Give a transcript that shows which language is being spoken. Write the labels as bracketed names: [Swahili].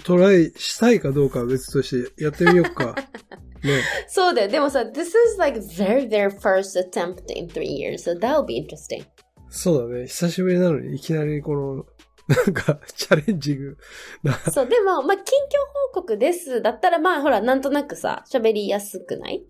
[Japanese] トライしたいかどうかは別としてやってみよっか。ね。そうだよ。でもさ、 [English] this is like their first attempt in 3 years, so that'll be interesting. [Japanese] そうだね。久しぶりなのに、いきなりこの、なんか、チャレンジングな。そう、でも、まあ、近況報告ですだったら、まあ、ほら、なんとなくさ、喋りやすくない？